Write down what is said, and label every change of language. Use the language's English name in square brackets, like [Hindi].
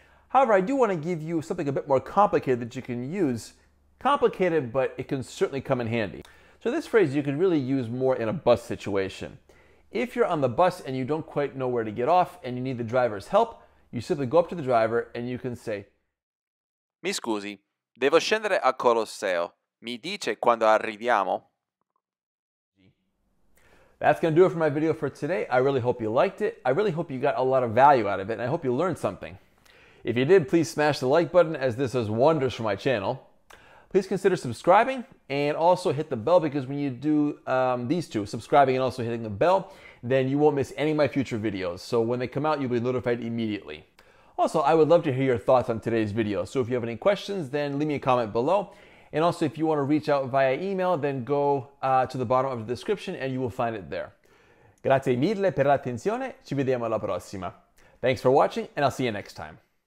[English] However, I do want to give you something a bit more complicated that you can use. Complicated, but it can certainly come in handy. So this phrase you can really use more in a bus situation. If you're on the bus and you don't quite know where to get off and you need the driver's help, you simply go up to the driver and you can say, [Italian] Mi scusi, devo scendere al Colosseo. Mi dice quando arriviamo? [English] That's going to do it for my video for today. I really hope you liked it. I really hope you got a lot of value out of it, and I hope you learned something. If you did, please smash the like button, as this does wonders for my channel. Please consider subscribing and also hit the bell, because when you do these two, subscribing and also hitting the bell, then you won't miss any of my future videos. So when they come out, you'll be notified immediately. Also, I would love to hear your thoughts on today's video. So if you have any questions, then leave me a comment below. And also, if you want to reach out via email, then go to the bottom of the description and you will find it there. [Italian] Grazie mille per l'attenzione. Ci vediamo alla prossima. [English] Thanks for watching, and I'll see you next time.